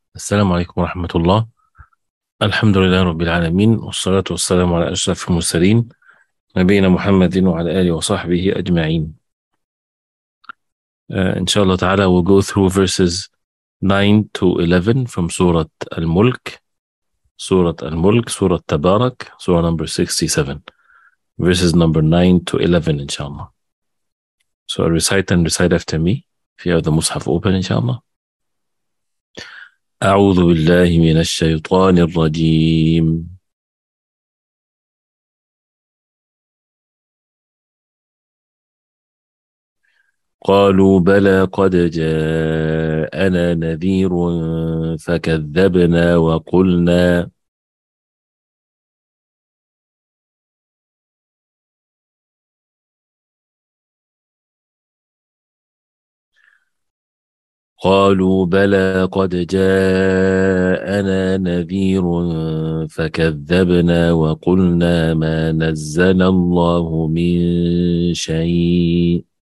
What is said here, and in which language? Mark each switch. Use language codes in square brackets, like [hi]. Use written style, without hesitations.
[ar] السلام عليكم ورحمة الله. الحمد لله رب العالمين، والصلاة والسلام على أشرف المرسلين نبينا محمد وعلى آله وصحبه أجمعين. إن شاء الله تعالى [en] we'll go through verses 9 to 11 from سورة الملك. [ar] سورة الملك، سورة تبارك، سورة number 67. [en] Verses number 9 to 11 [ar] إن شاء الله. [en] So I'll recite and recite after me. If you have the Mus'haf open, [ar] إن شاء الله. أعوذ بالله من الشيطان الرجيم. قالوا بلى قد جاءنا نذير فكذبنا وقلنا قالوا بلى قد جاءنا نذير فكذبنا وقلنا ما نزل الله من شيء